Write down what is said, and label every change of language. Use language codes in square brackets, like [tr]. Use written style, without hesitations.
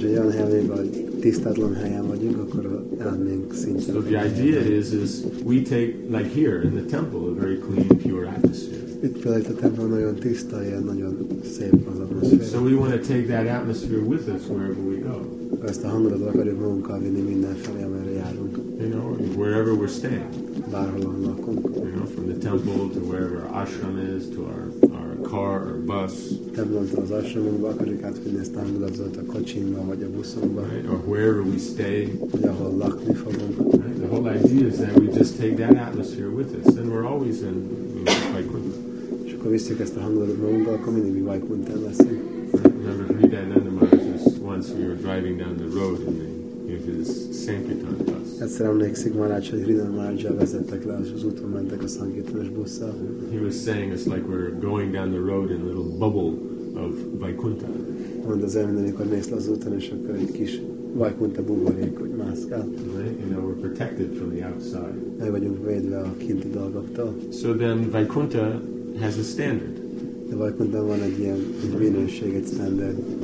[hu] Ha olyan helyen vagy, tisztátlan helyen vagyunk, akkor a elménk szintén. [en] So the idea is we take, like here in the temple, a very clean, pure atmosphere. [hu] Itt például a templom nagyon tiszta, ilyen nagyon szép az atmoszféra. [en] So we want to take that atmosphere with us wherever we go. [hu] Ezt a hangulatot akarjuk magunkkal vinni mindenfelé, amerre járunk. [en] You know, wherever we're staying. [hu] Bárhol, ahol lakunk. [en] You know, from the temple to wherever our ashram is, to our car or bus. [hu] Templomtól az ashramunkba akarjuk átvinni ezt a hangulatot a kocsimba vagy a buszomba. [en] Right? Or wherever we stay. [hu] Vagy ahol lakni fogunk. [en] Right? The whole idea is that we just take that atmosphere with us. And we're always in Vaikuntha. [hu] És akkor visszük ezt a hangulatot magunkkal, akkor mindig mi Vaikunthán leszünk. [en] Remember Hridayananda Maharaj once we were driving down the road in his Sankirtan bus. [hu] Egyszer emlékszik Maharaj, hogy Hridayananda Maharajjal vezettek le, és az úton mentek a Sankirtanos busszal. [en] He was saying it's like we're going down the road in a little bubble of Vaikuntha. [hu] Mondta az ember, amikor mész le az úton, és akkor egy kis Vaikuntha buborék, hogy mászkál. [en] Right? You know, we're protected from the outside. [hu] El vagyunk védve a kinti dolgoktól. [en] So then Vaikuntha has a standard. [hu] De Vaikuntha van egy ilyen egy minőség, egy standard.